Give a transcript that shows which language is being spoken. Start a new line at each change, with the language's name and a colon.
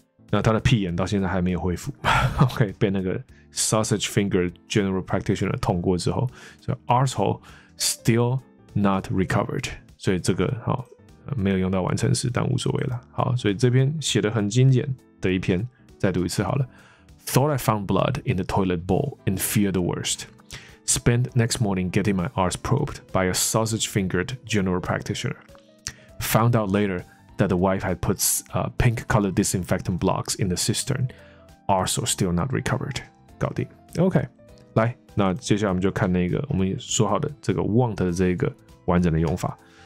Chinese: 那他的屁眼到现在还没有恢复OK， 被那个
English: sausage finger general practitioner
Chinese: 捅过之后，所以
English: arsehole still not recovered，
Chinese: 所以这个、哦、没有用到完成时，但无所谓了。好，所以这篇写的很精简的一篇，再读一次好了。
English: Thought I found blood in the toilet bowl and feared the worst. Spent next morning getting my arse probed by a sausage-fingered general practitioner. Found out later that the wife had put pink-colored disinfectant blocks in the cistern. Arse still not recovered.
Chinese: 搞定。 OK， 来，那接下来我们就看那个我们说好的这个 want 的这个完整的用法。